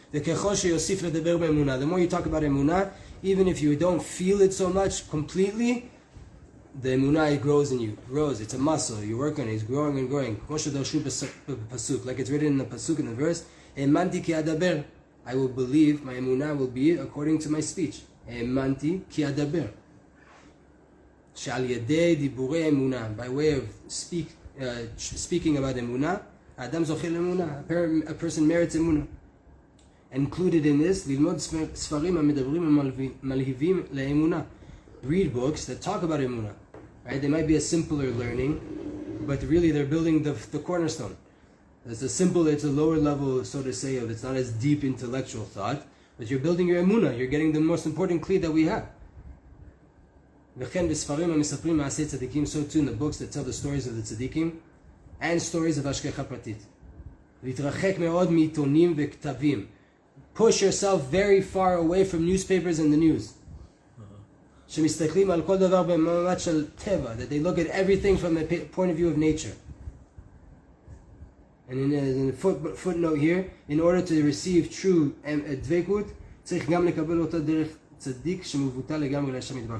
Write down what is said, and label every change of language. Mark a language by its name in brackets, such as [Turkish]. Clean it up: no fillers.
[Hebrew] וככל שיוסיף לדבר באמונה, [English] the more you talk about אמונה, even if you don't feel it so much completely, the אמונה grows in you, grows. It's a muscle. You work on it. It's growing and growing. [Hebrew] כמו שדרשו בפסוק, [English] like it's written in the pasuk in the verse, [Hebrew] האמנתי כי אדבר. [English] I will believe my אמונה will be according to my speech. [Hebrew] האמנתי כי אדבר. שעל ידי דיבורי אמונה, [English] by way of speaking about [Hebrew] אמונה, אדם זוכה לאמונה, [English] a person merits [Hebrew] אמונה. [English] Included in this, [Hebrew] ללמוד ספרים המדברים ומלהיבים לאמונה. [English] Read books that talk about אמונה. Right? They might be a simpler learning, but really they're building the cornerstone. It's a lower level, so to say, of it's not as deep intellectual thought, but you're building your אמונה, you're getting the most important clue that we have. [Hebrew] וכן בספרים המספרים מעשי צדיקים, [English] so too in the books that tell the stories of the צדיקים, and stories of Ashkecha Pratit. [Hebrew] להתרחק מאוד מעיתונים וכתבים. [English] Push yourself very far away from newspapers and the news. [Hebrew] שמסתכלים על כל דבר במעמד של טבע, [English] that they look at everything from the point of view of nature. And in a footnote here, in order to receive true dvekut, [Hebrew] צריך גם לקבל אותה דרך צדיק שמבוטל לגמרי לשם מדבר.